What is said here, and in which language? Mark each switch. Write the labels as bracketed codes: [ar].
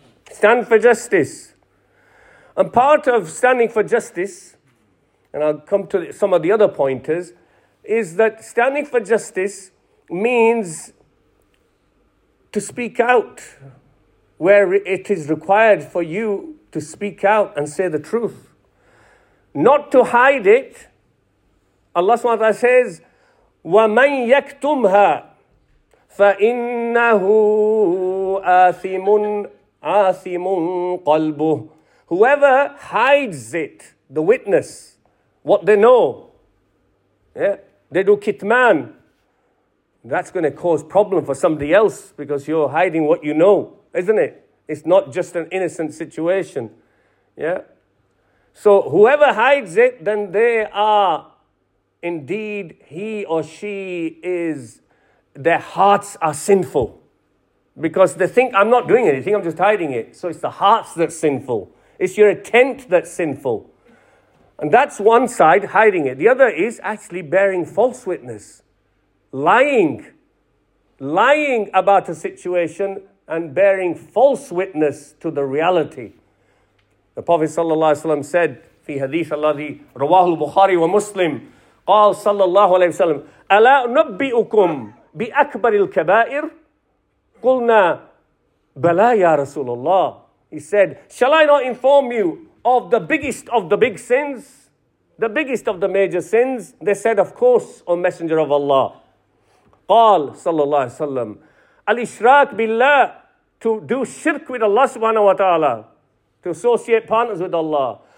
[en] Stand for justice. And part of standing for justice, and I'll come to some of the other pointers, is that standing for justice means to speak out where it is required for you to speak out and say the truth. Not to hide it. Allah subhanahu wa ta'ala says, [ar] وَمَنْ يَكْتُمْهَا فَإِنَّهُ آثِمٌ آثِمٌ قَلْبُهُ. [en] Whoever hides it, the witness, what they know, yeah, they do kitman, that's going to cause problem for somebody else because you're hiding what you know, isn't it? It's not just an innocent situation. Yeah. So whoever hides it, then they are indeed he or she is, their hearts are sinful. Because they think, I'm not doing anything, I'm just hiding it. So it's the hearts that's sinful. It's your intent that's sinful. And that's one side, hiding it. The other is actually bearing false witness. Lying. Lying about a situation and bearing false witness to the reality. The Prophet sallallahu alaihi wasallam said, [ar] في حديث الذي رواه البخاري ومسلم قال صلى الله عليه وسلم ألا نبئكم بأكبر الكبائر قلنا بلى يا رسول الله. [en] He said, shall I not inform you of the biggest of the big sins? The biggest of the major sins? They said, of course, O Messenger of Allah. Qal, sallallahu alayhi wa sallam, [ar] al-ishraq billah, [en] to do shirk with Allah subhanahu wa ta'ala, to associate partners with Allah.